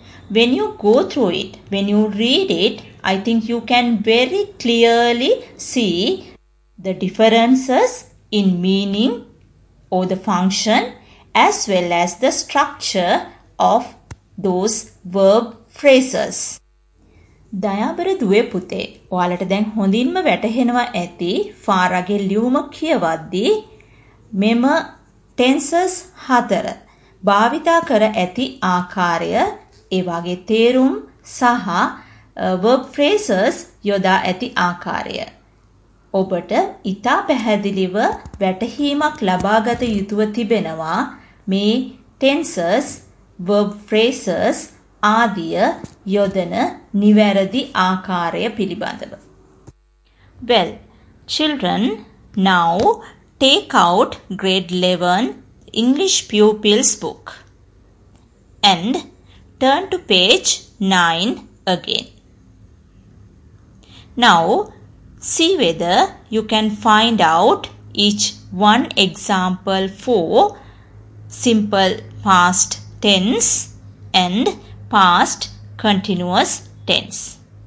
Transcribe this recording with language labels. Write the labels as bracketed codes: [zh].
[en] When you go through it, when you read it, I think you can very clearly see the differences in meaning or the function as well as the structure of those verb phrases. [si] දයාබර දුවේ පුතේ ඔයාලට දැන් හොඳින්ම වැටහෙනවා ඇති ෆාරාගේ ලියුම කියවද්දී මෙම tenses හතර භාවිතා කර ඇති ආකාරය ඒ වගේ තේරුම් සහ verb phrases යොදා ඇති ආකාරය ඔබට ඉතා පැහැදිලිව වැටහීමක් ලබාගත යුතුව තිබෙනවා මේ tenses verb phrases ආදිය යොදන නිවැරදි ආකාරය පිළිබඳව. [en] Well, children, now take out grade 11 English pupils book and turn to page 9 again. Now, see whether you can find out each one example for simple past tense and past continuous tense.